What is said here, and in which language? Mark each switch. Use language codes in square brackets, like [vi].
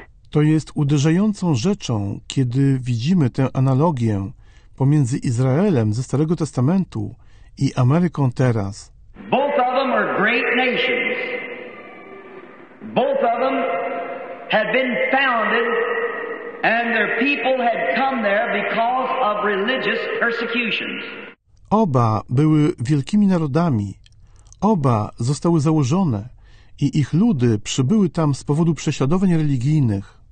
[pl] To jest uderzającą rzeczą, kiedy widzimy tę analogię pomiędzy Izraelem ze Starego Testamentu i Ameryką teraz. [en] Both of them are great nations. Both of them had been founded and their people had come there because of religious persecutions. [pl] Oba były wielkimi narodami. Oba zostały założone i ich ludy przybyły tam z powodu prześladowań religijnych.